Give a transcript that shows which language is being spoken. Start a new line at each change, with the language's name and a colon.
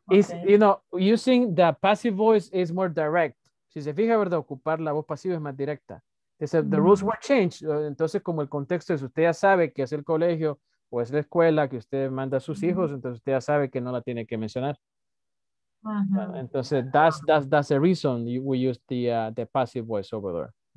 English: Okay. You know, using the passive voice is more direct.
Spanish: Si se fija, ¿verdad? Ocupar la voz pasiva es más directa.
English: It's a, the rules were changed.
Spanish: Entonces, como el contexto es, usted ya sabe que es el colegio, o es la escuela que usted manda a sus uh-huh. hijos, entonces usted ya sabe que no la tiene que mencionar. Uh-huh. Entonces,
English: that's the reason we use the passive voice over there.